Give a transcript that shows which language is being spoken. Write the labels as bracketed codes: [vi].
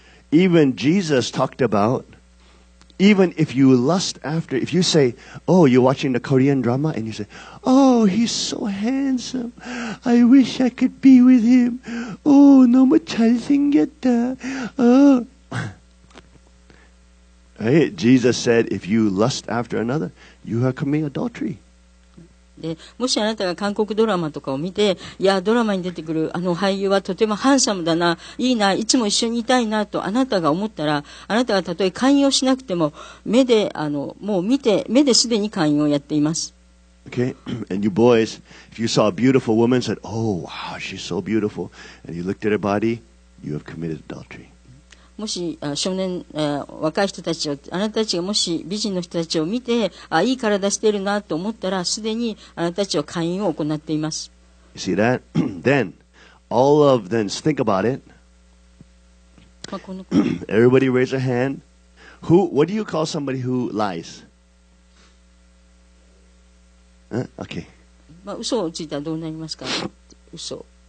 [en] Even Jesus talked aboutEven if you lust after, if you say, oh, you're watching the Korean drama, and you say, oh, he's so handsome. I wish I could be with him. Oh, [ko] 너무 잘생겼다. [en] Oh. Right? Jesus said, if you lust after another, you are committing adultery. [ja] でもしあなたが韓国ドラマとかを見て、いや、ドラマに出てくるあの俳優はとてもハンサムだな、いいな、いつも一緒にいたいなとあなたが思ったら、あなたがたとえ勧誘をしなくても、目でもう見て、目ですでに勧誘をやっています。 [en] Okay, and you boys, if you saw a beautiful woman, said, oh, wow, she's so beautiful, and you looked at her body, you have committed adultery. [ja] もし少年、若い人たちを、あなたたちがもし美人の人たちを見て、あ、いい体しているなと思ったら、すでにあなたたちは勧誘を行っています。 [en] You see that? Then, all of them, think about it. Everybody raise a hand. Who, what do you call somebody who lies? Okay. [ja] まあ、嘘をついたらどうなりますか?嘘。